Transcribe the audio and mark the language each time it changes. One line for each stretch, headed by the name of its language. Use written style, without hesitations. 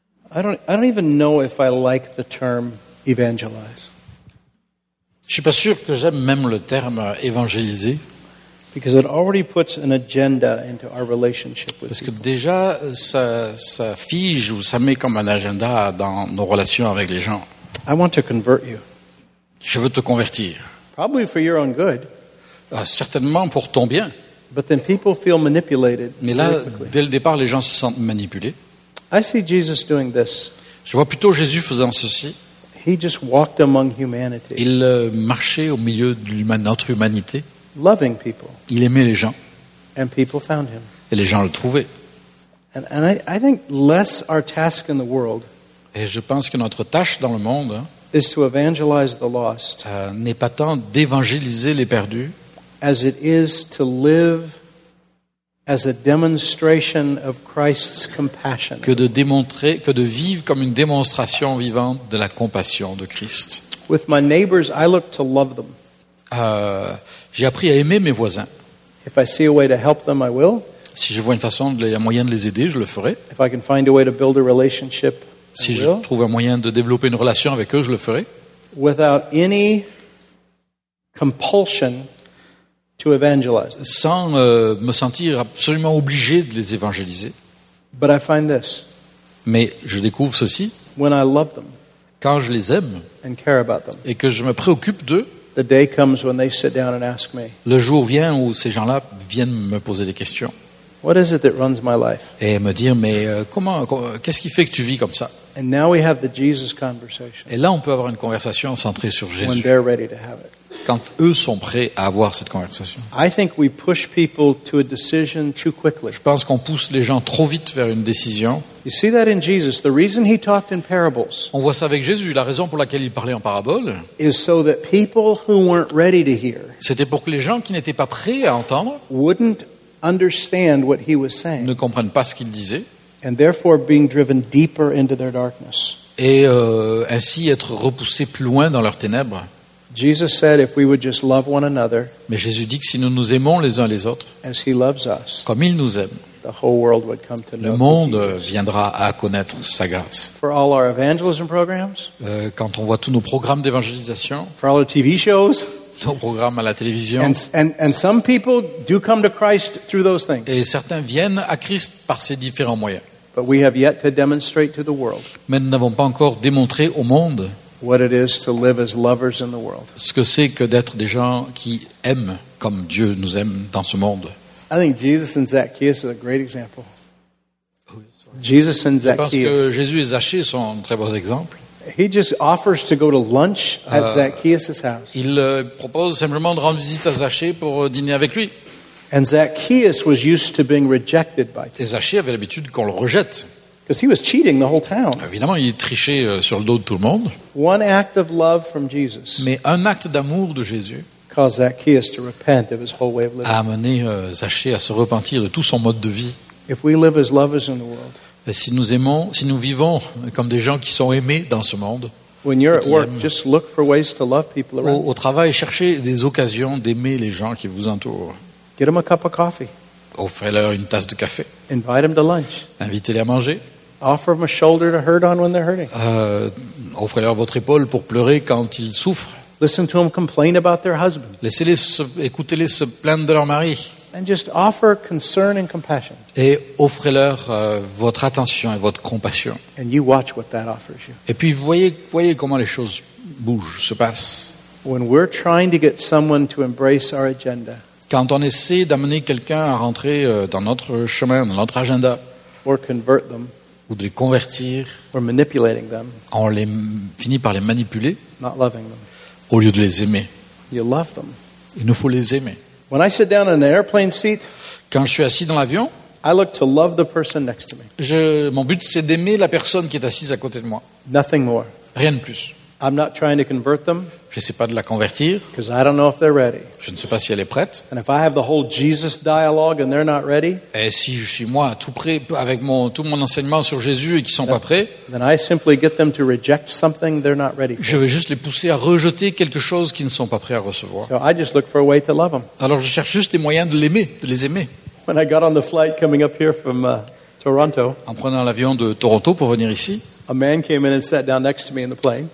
English: I don't even know if I like the term evangelize.
French: Je suis pas sûr que j'aime même le terme évangéliser.
English: Because it already puts an agenda into our relationship with.
French: Parce que déjà ça fige ou ça met comme un agenda dans nos relations avec les gens.
English: I want to convert you.
French: Je veux te convertir.
English: Probably for your own good.
French: Certainement pour ton bien.
English: But then people feel manipulated.
French: Mais là, dès le départ, les gens se sentent manipulés.
English: I see Jesus doing this.
French: Je vois plutôt Jésus faisant ceci.
English: He just walked among humanity.
French: Il marchait au milieu de notre humanité.
English: Loving people.
French: Il aimait les gens.
English: And people found him.
French: Et les gens le trouvaient.
English: And I think less our task in the world.
French: Et je pense que notre tâche dans le monde
English: is to evangelize the lost.
French: N'est pas tant d'évangéliser les perdus.
English: As it is to live as a demonstration of Christ's compassion.
French: Que de vivre comme une démonstration vivante de la compassion de Christ.
English: With my neighbors, I look to love them.
French: J'ai appris à aimer mes voisins.
English: If I see a way to help them, I will.
French: Si je vois une façon, un moyen de les aider, je le ferai.
English: If I can find a way to build a relationship,
French: si je trouve un moyen de développer une relation avec eux, je le ferai.
English: Without any compulsion to evangelize.
French: Sans me sentir absolument obligé de les évangéliser.
English: But I find this.
French: Mais je découvre ceci.
English: When I love them.
French: Quand je les aime.
English: And care about them.
French: Et que je me préoccupe d'eux.
English: The day comes when they sit down and ask me.
French: Le jour vient où ces gens-là viennent me poser des questions.
English: What is it that runs my life?
French: Et me dire, mais comment, qu'est-ce qui fait que tu vis comme ça?
English: And now we have the Jesus conversation.
French: Et là, on peut avoir une conversation centrée sur Jésus.
English: When they're ready to have it.
French: Quand eux sont prêts à avoir cette conversation.
English: I think we push people to a decision too quickly.
French: Je pense qu'on pousse les gens trop vite vers une décision.
English: You see that in Jesus, the reason he talked in parables.
French: On voit ça avec Jésus, la raison pour laquelle il parlait en parabole.
English: Is so that people who weren't ready to hear.
French: C'était pour que les gens qui n'étaient pas prêts à entendre.
English: Wouldn't understand what he was saying.
French: Ne comprennent pas ce qu'il disait.
English: And therefore being driven deeper into their darkness.
French: Et ainsi être repoussés plus loin dans leurs ténèbres.
English: Jesus said if we would just love one another.
French: Mais Jésus dit que si nous nous aimons les uns les autres.
English: As he loves us.
French: Comme il nous aime.
English: The whole world would come to know.
French: Le monde viendra à connaître sa grâce.
English: For all our evangelism programs?
French: Quand on voit tous nos programmes d'évangélisation.
English: For all the TV shows?
French: Nos programmes à la télévision.
English: And some people do come to Christ through those things.
French: Et certains viennent à Christ par ces différents moyens.
English: But we have yet to demonstrate to the world.
French: Mais nous n'avons pas encore démontré au monde.
English: What it is to live as lovers in the world.
French: Ce que c'est que d'être des gens qui aiment comme Dieu nous aime dans ce monde.
English: I think Jesus and Zacchaeus are a great example. Jesus and Zacchaeus.
French: Je pense que Jésus et Zacchée sont très bons exemples.
English: He just offers to go to lunch at Zacchaeus's house.
French: Il propose simplement de rendre visite à Zacchée pour dîner avec lui.
English: And Zacchaeus was used to being rejected by people.
French: Et Zacchée avait l'habitude qu'on le rejette.
English: Because he was cheating the whole town.
French: Évidemment, il trichait sur le dos de tout le monde.
English: One act of love from Jesus.
French: Mais un acte d'amour de Jésus
English: caused Zacchaeus to repent of his whole way of living.
French: A amené Zacchée à se repentir de tout son mode de vie.
English: If we live as lovers in the world.
French: Et si nous aimons, si nous vivons comme des gens qui sont aimés dans ce monde.
English: When you're at work, just look for ways to love people around.
French: Au travail, cherchez des occasions d'aimer les gens qui vous entourent.
English: Get them a cup of coffee.
French: Offrez-leur une tasse de café.
English: Invite them to lunch.
French: Invitez-les à manger.
English: Offer them a shoulder to hurt on when they're hurting.
French: Offrez-leur votre épaule pour pleurer quand ils souffrent.
English: Listen to them complain about their husband.
French: Laissez-les écoutez-les se plaindre de leur mari.
English: And just offer concern and compassion.
French: Et offrez-leur votre attention et votre compassion.
English: And you watch what that offers you.
French: Et puis voyez comment les choses bougent, se passent.
English: When we're trying to get someone to embrace our agenda.
French: Quand on essaie d'amener quelqu'un à rentrer dans notre chemin, dans notre agenda, ou de les convertir, on les finit par les manipuler au lieu de les aimer. Il nous faut les aimer. Quand je suis assis dans l'avion, mon but c'est d'aimer la personne qui est assise à côté de moi. Rien de plus.
English: I'm not trying to convert them.
French: J'essaie pas de la convertir.
English: Because I don't know if they're ready.
French: Je ne sais pas si elle est prête.
English: And if I have the whole Jesus dialogue and they're not ready.
French: Et si je suis moi tout prêt avec tout mon enseignement sur Jésus et qu'ils sont pas prêts.
English: Then I simply get them to reject something they're not ready for.
French: Je vais juste les pousser à rejeter quelque chose qu'ils ne sont pas prêts à recevoir.
English: So I just look for a way to love them.
French: Alors je cherche juste des moyens de les aimer.
English: When I got on the flight coming up here from Toronto.
French: En prenant l'avion de Toronto pour venir ici.
English: A man came in and sat down next to me in the plane.